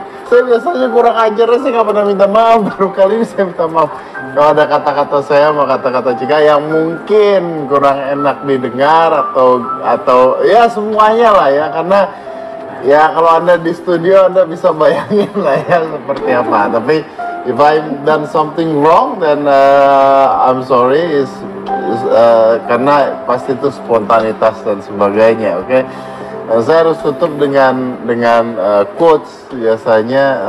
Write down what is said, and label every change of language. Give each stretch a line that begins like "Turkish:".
Indonesian: saya biasanya kurang ajar, saya nggak pernah minta maaf, baru kali ini saya minta maaf kalau ada kata-kata saya sama kata-kata Cika yang mungkin kurang enak didengar atau ya semuanya lah ya, karena ya kalau Anda di studio, Anda bisa bayangin lah ya seperti apa.
English: Tapi if I done something wrong, then I'm sorry.
Indonesian: Karena pasti itu spontanitas dan sebagainya, oke? Okay? Saya harus tutup dengan quotes biasanya.